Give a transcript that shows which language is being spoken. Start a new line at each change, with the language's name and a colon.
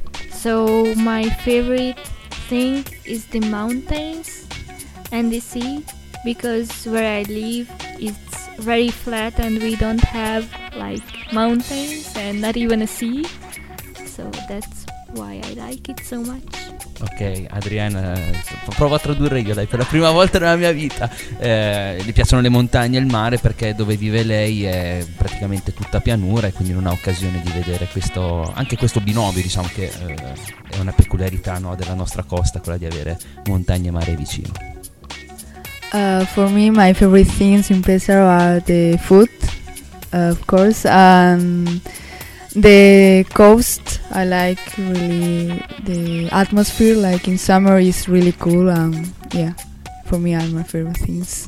English: So my favorite thing is the mountains and the sea, because where I live it's very flat and we don't have like mountains and not even a sea, so that's why I like it so much.
Italian: Ok, Adriana, provo a tradurre io, dai, per la prima volta nella mia vita. Le piacciono le montagne e il mare perché dove vive lei è praticamente tutta pianura e quindi non ha occasione di vedere questo, anche questo binomio, diciamo che è una peculiarità, no, della nostra costa, quella di avere montagne e mare vicino.
English: For me, my favorite things in Pesaro are the food, of course, and the coast. I like really the atmosphere, like in summer is really cool, and yeah, for me are my favorite things.